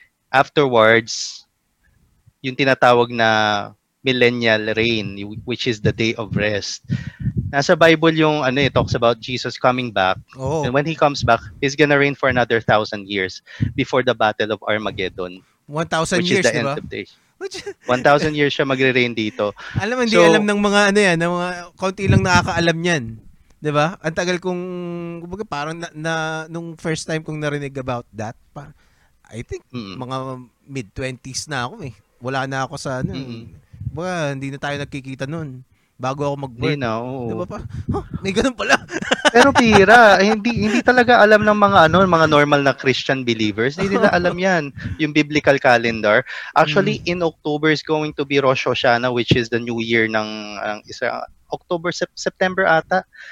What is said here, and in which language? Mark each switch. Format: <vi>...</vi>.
<en>Afterwards,</en> <tl>yung tinatawag na</tl> <en>millennial reign, which is the day of rest.</en> <tl>Nasa Bible yung ano,</tl> <en>it talks about Jesus coming back. Oh. And when he comes back, he's gonna reign for another 1,000 years before the Battle of Armageddon. 1,000 years,</en> <tl>di ba?</tl> <en>Which is the end of the day. 1,000 years</en> <tl>siya magre-rain dito. Alam mo, hindi alam ng mga ano yan, ng mga konti lang nakakaalam niyan. 'Di ba? Ang tagal kong kumbaga parang na nung first time kong narinig about that,</tl> <en>I think</en> <tl>mga mid 20s na ako eh. Wala na ako sa ano. Kumbaga, hindi na tayo nagkikita noon bago ako mag-born. 'Di ba pa? May ganun pala. Pero pira, hindi talaga alam ng mga ano, mga normal na Christian believers. Hindi nila alam 'yan, yung biblical calendar.</tl> <en>Actually, in October is going to be Rosh Hashanah, which is the new year ng October September ata.</en>